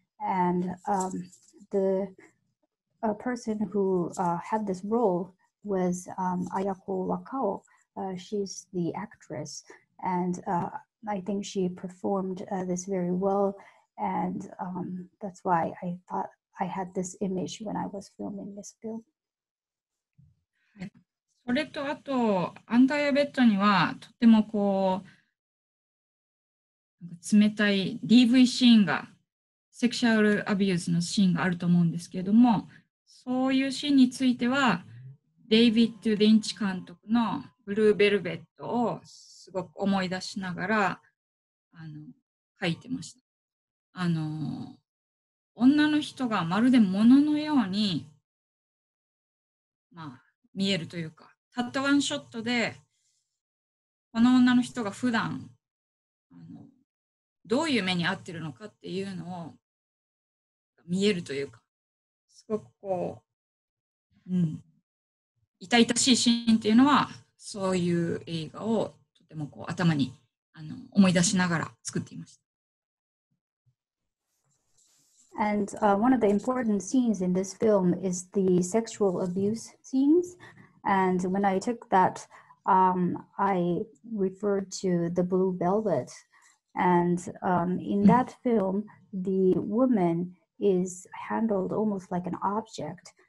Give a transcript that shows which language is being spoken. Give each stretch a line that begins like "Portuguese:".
English: And the person who had this role was Ayako Wakao. She's the actress. And I think she performed this very well. And that's why I thought I had this image when I was filming this film.
Japanese: それとあと、アンダーベッドにはとてもこう、冷たい DV シーンが、セクシャルアビューズのシーンがあると思うんですけれども、そういうシーンについては、デイビッド・リンチ監督のブルーベルベットをすごく思い出しながら、書いてました。女の人がまるで物のように、まあ、見えるというか、たったワンショットでこの女の人が普段どういう目に遭ってるのかっていうのを見えるというかすごくこう、うん、痛々しいシーンっていうのはそういう映画をとてもこう頭に思い出しながら作っていました。
English: And one of the important scenes in this film is the sexual abuse scenes. And when I took that, I referred to the Blue Velvet. And in that film, the woman is handled almost like an object.